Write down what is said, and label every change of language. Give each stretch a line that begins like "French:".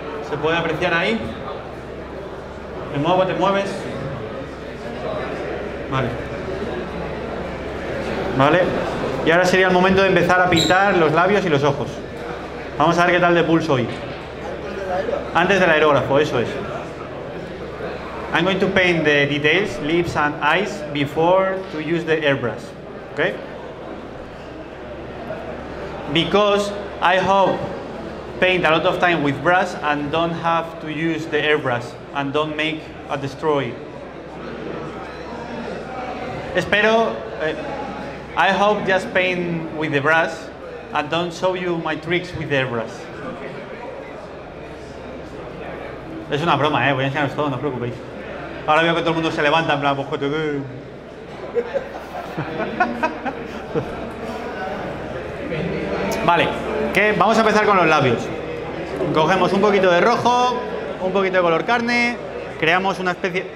Spanish: ¿Se puede apreciar ahí? ¿Me muevo? ¿Te mueves? Vale. Vale. Y ahora sería el momento de empezar a pintar los labios y los ojos. Vamos a ver qué tal de pulso hoy. Antes del aerógrafo, eso es.
English: I'm going to paint the details, lips and eyes, before to use the airbrush. Okay? Because I hope paint a lot of time with brush and don't have to use the airbrush and don't make a destroy. Espero, I hope just paint with the brush and don't show you my tricks with the airbrush.
Spanish: Es una broma, voy a enseñaros todo, no os preocupéis. Ahora veo que todo el mundo se levanta en plan, pues joder. Vale, ¿qué? Vamos a empezar con los labios. Cogemos un poquito de rojo, un poquito de color carne, creamos una especie...